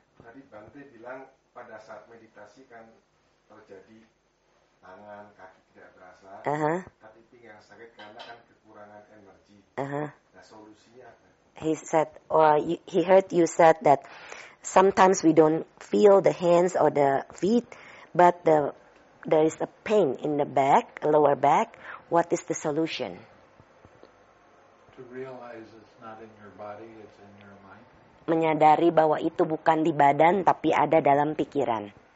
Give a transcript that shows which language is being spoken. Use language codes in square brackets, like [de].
[id] Tadi Bante bilang pada saat meditasi kan terjadi tangan kaki tidak berasa, tapi pinggang sakit karena kan kekurangan energi. Nah, solusinya apa? [en] He said, or he heard you said that sometimes we don't feel the hands or the feet, but there is a pain in the back, lower back. What is the solution? To realize it's not in your body, it's in your mind. [id] Menyadari bahwa itu bukan di badan tapi ada dalam pikiran.